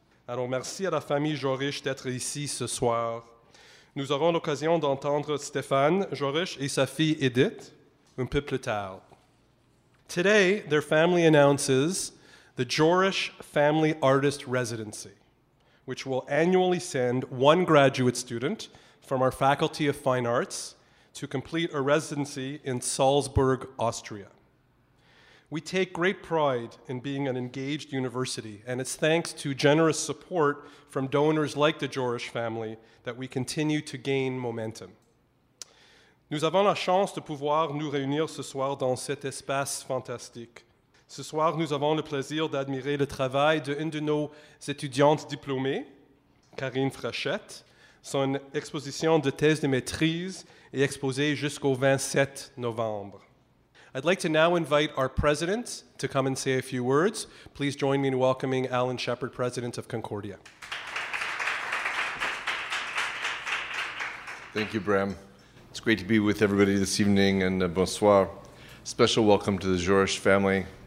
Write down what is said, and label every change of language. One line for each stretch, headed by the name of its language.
French: Alors, merci à la famille Jorisch d'être ici ce soir. Nous aurons l'occasion d'entendre Stéphane Jorisch et sa fille Edith un peu plus tard.
English: Today, their family announces the Jorisch Family Artist Residency, which will annually send one graduate student from our Faculty of Fine Arts to complete a residency in Salzburg, Austria. We take great pride in being an engaged university, and it's thanks to generous support from donors like the Jorisch family that we continue to gain momentum.
French: Nous avons la chance de pouvoir nous réunir ce soir dans cet espace fantastique. Ce soir, nous avons le plaisir d'admirer le travail d'une de nos étudiantes diplômées, Karine Frachette. Son exposition de thèse de maîtrise est exposée jusqu'au 27 novembre.
English: I'd like to now invite our president to come and say a few words. Please join me in welcoming Alan Shepard, president of Concordia. Thank you, Bram. It's great to be with everybody this evening, and bonsoir. Special welcome to the Jorisch family.